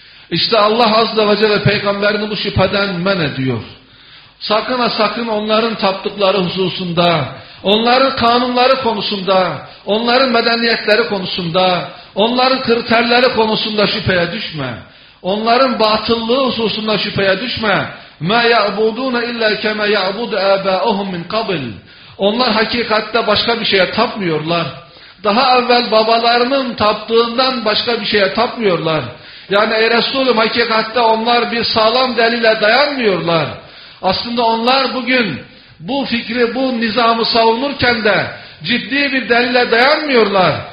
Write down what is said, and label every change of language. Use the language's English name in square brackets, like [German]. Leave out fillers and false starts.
[Turkish] İşte Allah Azze ve Celle peygamberini bu şüpheden men ediyor. Sakın ha sakın onların taptıkları hususunda, onların kanunları konusunda, onların medeniyetleri konusunda, onların kriterleri konusunda şüpheye düşme. Onların batıllığı hususunda şüpheye düşme. [Arabic] مَا يَعْبُدُونَ اِلَّا كَمَا يَعْبُدُ اَبَاءُهُمْ مِنْ قَبِلٍ [Turkish] Onlar hakikatte başka bir şeye tapmıyorlar. Daha evvel babalarının taptığından başka bir şeye tapmıyorlar. Yani ey Resulüm hakikatte onlar bir sağlam delile dayanmıyorlar. Aslında onlar bugün bu fikri, bu nizamı savunurken de ciddi bir delile dayanmıyorlar.